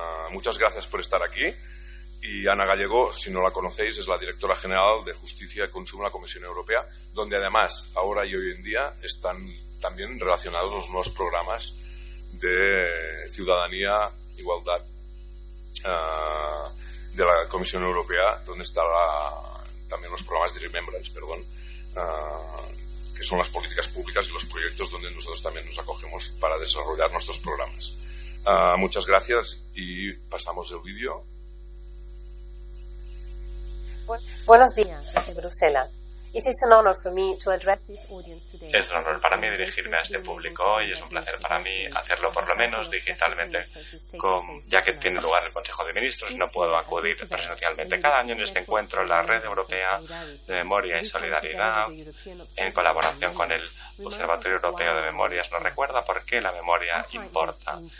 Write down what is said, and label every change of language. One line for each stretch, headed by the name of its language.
Spanish: Muchas gracias por estar aquí. Y Ana Gallego, si no la conocéis, es la directora general de Justicia y Consumo de la Comisión Europea, donde además, ahora y hoy en día, están también relacionados los nuevos programas de ciudadanía, igualdad de la Comisión Europea, donde están también los programas de Remembrance, perdón, que son las políticas públicas y los proyectos donde nosotros también nos acogemos para desarrollar nuestros programas. Muchas gracias y pasamos el vídeo. Buenos días desde Bruselas.
English: It is an honor for me to address this audience today.
Spanish: Es un honor para mí dirigirme a este público hoy, es un placer para mí hacerlo por lo menos digitalmente, ya que tiene lugar el Consejo de Ministros y no puedo acudir presencialmente. Cada año en este encuentro, la Red Europea de Memoria y Solidaridad, en colaboración con el Observatorio Europeo de Memorias, nos recuerda por qué la memoria importa.